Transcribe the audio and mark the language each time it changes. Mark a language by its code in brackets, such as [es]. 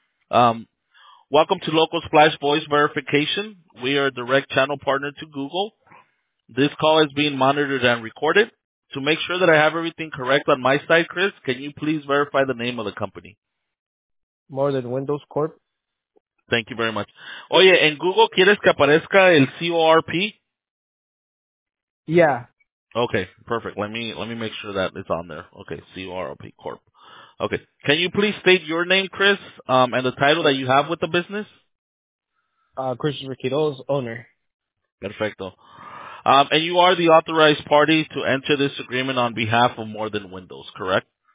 [en] Welcome to Local Splash Voice Verification. We are a direct channel partner to Google. This call is being monitored and recorded. To make sure that I have everything correct on my side, Chris, can you please verify the name of the company? More Than Windows Corp. Thank you very much. [es] Oye, ¿en Google quieres que aparezca el CORP? [en] Yeah. Okay, perfect. Let me make sure that it's on there. Okay, CORP Corp. Okay. Can you please state your name, Chris, and the title that you have with the business? Christopher Quiroz, owner. [es] Perfecto. [en] And you are the authorized party to enter this agreement on behalf of More Than Windows, correct?